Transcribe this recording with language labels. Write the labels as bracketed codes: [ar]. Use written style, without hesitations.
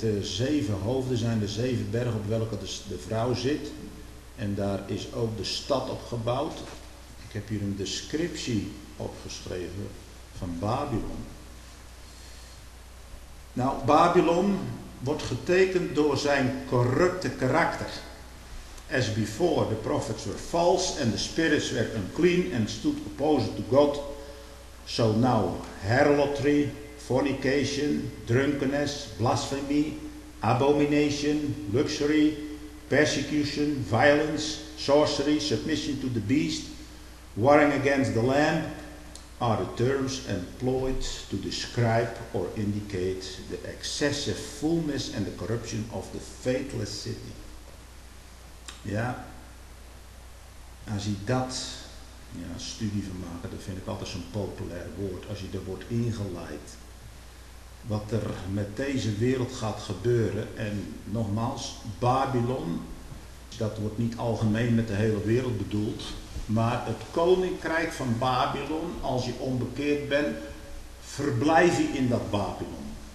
[nl] De 7 hoofden zijn de 7 bergen op welke de vrouw zit. En daar is ook de stad op gebouwd. Ik heb hier een descriptie opgeschreven van Babylon. Nou, Babylon wordt getekend door zijn corrupte karakter. [en] As before, the prophets were false and the spirits were unclean and stood opposed to God. So now, harlotry, fornication, drunkenness, blasphemy, abomination, luxury, persecution, violence, sorcery, submission to the beast, warring against the lamb, are the terms employed to describe or indicate the excessive fullness and the corruption of the faithless city. [nl] Ja, als je dat, ja, studie van maken, dat vind ik altijd zo'n populair woord, als je er wordt ingeleid, wat er met deze wereld gaat gebeuren, en nogmaals, Babylon, dat wordt niet algemeen met de hele wereld bedoeld, maar het koninkrijk van Babylon, als je onbekeerd bent, verblijf je in dat Babylon.